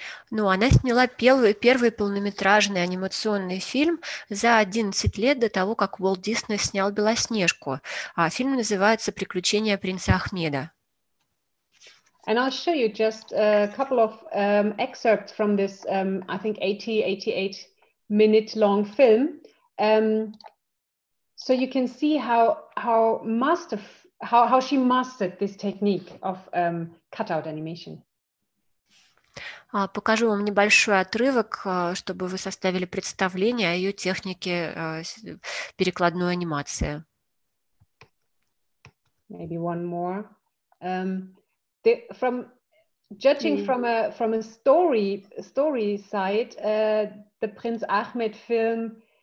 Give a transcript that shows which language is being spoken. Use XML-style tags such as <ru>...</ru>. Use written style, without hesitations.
<ru>Ну, она сняла первый полнометражный анимационный фильм за 11 лет до того, как Walt Disney снял Белоснежку. Фильм называется «Приключения принца Ахмеда».</ru> <en>And I'll show you just a couple of excerpts from this, I think, 88 minute long film. So you can see how she mastered this technique of cutout animation.</en> <ru>Покажу вам небольшой отрывок, чтобы вы составили представление о ее технике перекладной анимации.</ru> <en>Maybe one more. From a story side, the Prince Ahmed film</en>